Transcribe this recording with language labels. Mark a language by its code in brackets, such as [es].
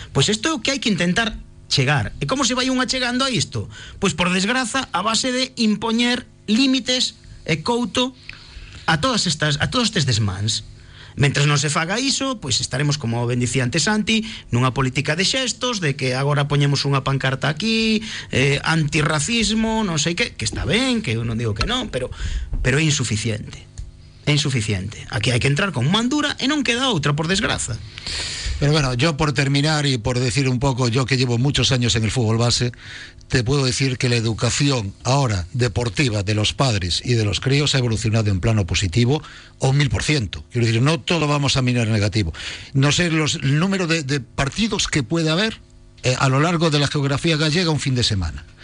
[gl] Pois isto é o que hai que intentar chegar. E como se vai unha chegando a isto? Pois, por desgraza, a base de impoñer límites e couto a todos estes desmans. Mentres non se faga iso, pois estaremos, como ben dicía antes Santi, nunha política de xestos, de que agora poñemos unha pancarta aquí, antirracismo, non sei que está ben, que eu non digo que non, pero é insuficiente. É insuficiente. Aquí hai que entrar con mandura e non queda outra, por desgraza. [es] Pero bueno, yo por terminar y por decir un poco, yo que llevo muchos años en el fútbol base, te puedo decir que la educación ahora deportiva de los padres y de los críos ha evolucionado en plano positivo 1000%. Quiero decir, no todo vamos a mirar negativo. No sé los, el número de partidos que puede haber a lo largo de la geografía gallega un fin de semana.